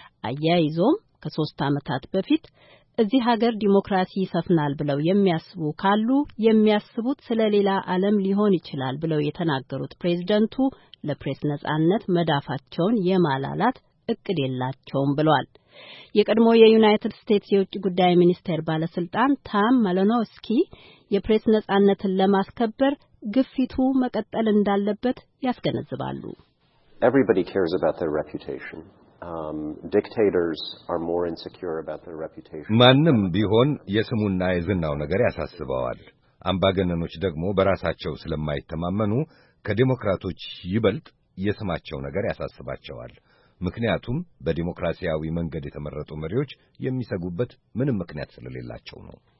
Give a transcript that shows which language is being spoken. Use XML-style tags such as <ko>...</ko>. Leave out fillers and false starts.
<am>አያይዞም ከ3 አመታት በፊት እዚህ ሀገር ዲሞክራሲ ይሰፍናል ብለው የሚያስቡ ካሉ የሚያስቡት ስለሌላ ዓለም ሊሆን ይችላል ብለው የተናገሩት ፕሬዝዳንቱ ለፕሬስ ነጻነት መዳፋቸውን የማላላት እቅድ የላቸውም ብሏል። የቀድሞ የዩናይትድ ስቴትስ የውጭ ጉዳይ ሚኒስቴር ባለስልጣን ታም ማለኖስኪ የፕሬስ ነጻነትን ለማስከበር ግፊቱ መቀጠል እንዳለበት ያስገነዝባሉ።</am> <en>Everybody cares about their reputation. Dictators are more insecure about their reputation.</en> <am>ማንም ቢሆን የስሙና የዝናው ነገር ያሳስበዋል። አምባገነኖች ደግሞ በራሳቸው ስለማይተማመኑ ከዲሞክራቶች ይበልጥ የስማቸው ነገር ያሳስባቸዋል። ምክንያቱም በዲሞክራሲያዊ መንገድ የተመረጡ መሪዎች የሚሰጉበት ምንም ምክንያት ስለሌላቸው ነው።</am>